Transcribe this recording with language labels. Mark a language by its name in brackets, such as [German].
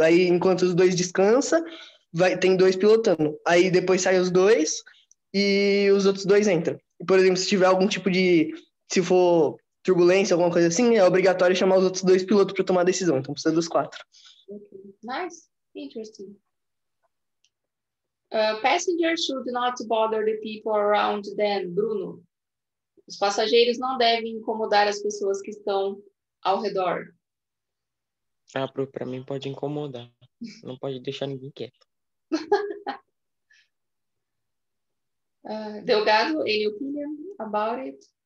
[Portuguese] Aí, enquanto os dois descansam, vai, tem dois pilotando. Aí, depois saem os dois e os outros dois entram. Por exemplo, se tiver algum tipo de... Se for turbulência, alguma coisa assim, é obrigatório chamar os outros dois pilotos para tomar a decisão. Então, precisa dos quatro. [English] Okay. Nice. Interesting. Passengers should not bother the people around them, Bruno. [Portuguese] Os passageiros não devem incomodar as pessoas que estão ao redor. Ah, para mim pode incomodar. Não pode deixar ninguém quieto. [English] Delgado, any opinion about it?